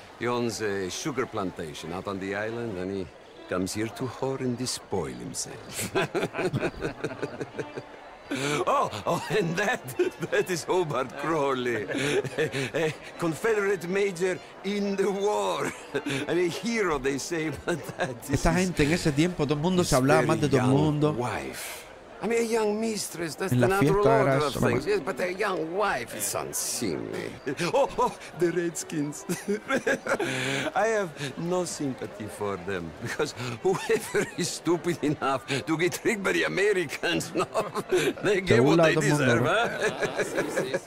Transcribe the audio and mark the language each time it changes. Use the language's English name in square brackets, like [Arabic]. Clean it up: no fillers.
[English] He owns a sugar plantation out on the island, and he comes here to whore and despoil himself. Oh, and that is Hobart Crawley, a Confederate major in the war, and a hero, they say, but that is... [Spanish] Esta gente, en ese tiempo, todo el mundo se hablaba más de todo el mundo. [English] Wife. I mean, a young mistress, that's the natural order of things, yes, but a young wife is unseemly. Oh, the Redskins. I have no sympathy for them, because whoever is stupid enough to get tricked by the Americans, no, they get what they deserve, huh?